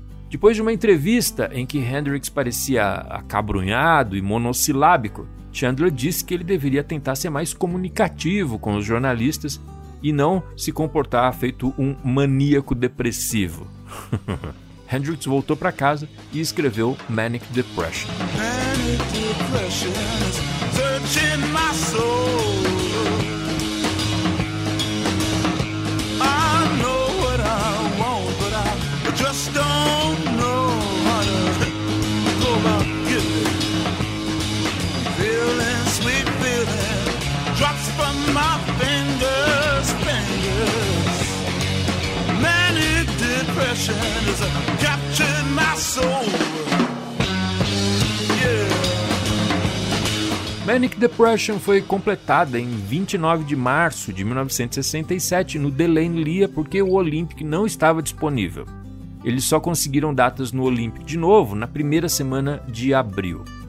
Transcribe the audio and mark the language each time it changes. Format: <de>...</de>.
<pt>Depois de uma entrevista em que Hendrix parecia acabrunhado e monossilábico, Chandler disse que ele deveria tentar ser mais comunicativo com os jornalistas e não se comportar feito um maníaco depressivo. Hendrix voltou para casa e escreveu Manic Depression.</pt> <en>Manic Depression is searching my soul. I know what I want, but I just don't know how to go about getting it. Feeling, sweet feeling, drops from my fingers, fingers. Manic Depression is a captured my soul.</en> <pt>Panic Depression foi completada em 29 de março de 1967 no Delaney Lea porque o Olympic não estava disponível. Eles só conseguiram datas no Olympic de novo na primeira semana de abril.</pt>